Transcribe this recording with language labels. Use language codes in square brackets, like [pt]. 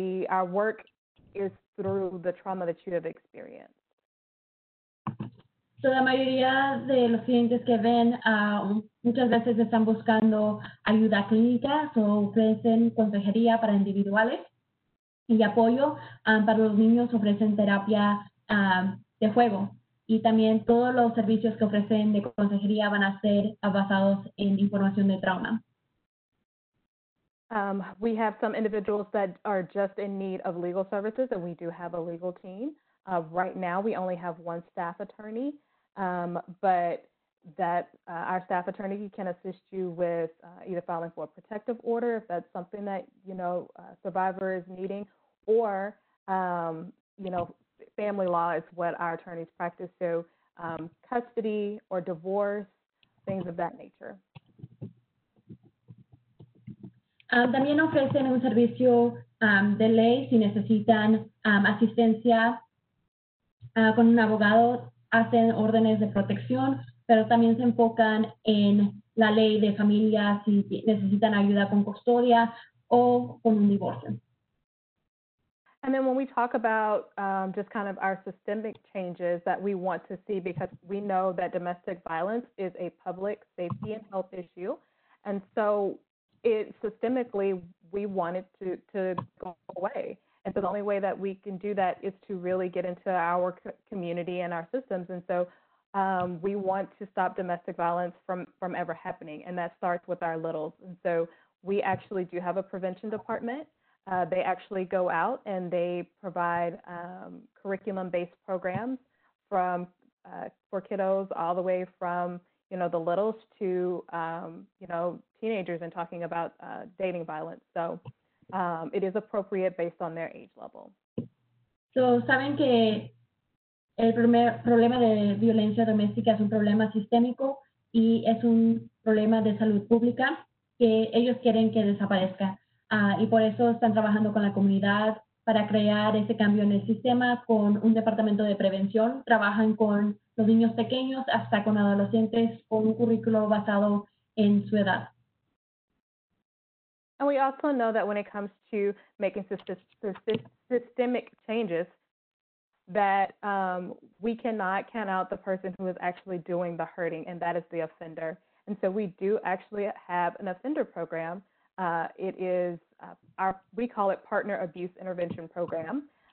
[en] Our work is through the trauma that you have experienced. [es] So la mayoría de los clientes que ven muchas veces están buscando ayuda clínica, so ofrecen consejería para individuales y apoyo para los niños, ofrecen terapia de juego. Y también todos los servicios que ofrecen de consejería van a ser basados en información de trauma. [en] We have some individuals that are just in need of legal services, and we do have a legal team. Right now, we only have one staff attorney, but our staff attorney can assist you with either filing for a protective order, if that's something that, you know, a survivor is needing, or, you know, family law is what our attorneys practice, so custody or divorce, things of that nature. [es] También ofrecen un servicio de ley si necesitan asistencia con un abogado, hacen órdenes de protección, pero también se enfocan en la ley de familia si necesitan ayuda con custodia o con un divorcio. [en] And then when we talk about just kind of our systemic changes that we want to see, because we know that domestic violence is a public safety and health issue, and so it systemically we want it to go away. And so the only way that we can do that is to really get into our community and our systems. And so we want to stop domestic violence from ever happening. And that starts with our littles. And so we actually do have a prevention department. They actually go out and they provide curriculum-based programs for kiddos all the way from, you know, the littles to, you know, teenagers and talking about dating violence. So it is appropriate based on their age level. [es] So, saben que el problema de violencia doméstica es un problema sistémico y es un problema de salud pública que ellos quieren que desaparezca. Y por eso están trabajando con la comunidad para crear ese cambio en el sistema con un departamento de prevención. Trabajan con los niños pequeños hasta con adolescentes con un currículo basado en su edad. [en] And we also know that when it comes to making systemic changes, that we cannot count out the person who is actually doing the hurting, and that is the offender. And so we do actually have an offender program. It is we call it Partner Abuse Intervention Program.